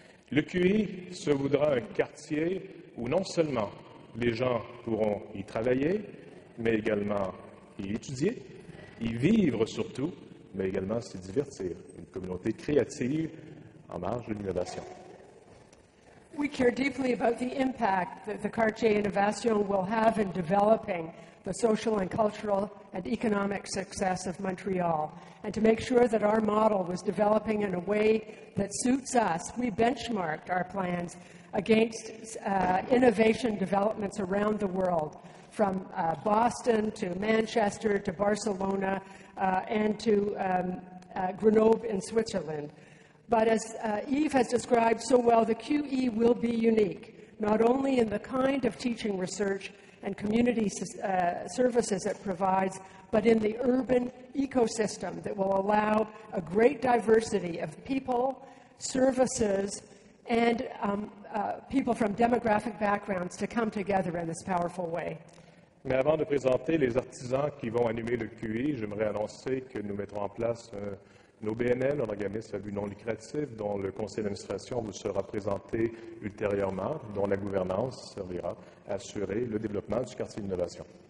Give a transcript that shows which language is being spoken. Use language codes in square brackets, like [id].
[fr] Le QI se voudra un quartier où non seulement les gens pourront y travailler, mais également y étudier, y vivre surtout, mais également s'y divertir, une communauté créative en marge de l'innovation. [en] We care deeply about the impact that the Cartier Innovation will have in developing the social and cultural and economic success of Montreal. And to make sure that our model was developing in a way that suits us, we benchmarked our plans against innovation developments around the world, from Boston to Manchester to Barcelona and to Grenoble in Switzerland. But as Yves has described so well, the QE will be unique, not only in the kind of teaching research and community services it provides, but in the urban ecosystem that will allow a great diversity of people, services, and people from demographic backgrounds to come together in this powerful way. [fr] Mais avant de présenter les artisans qui vont animer le QE, j'aimerais annoncer que nous mettrons en place l'OBNL, un organisme à but non lucratif dont le conseil d'administration vous sera présenté ultérieurement, dont la gouvernance servira à assurer le développement du quartier d'innovation.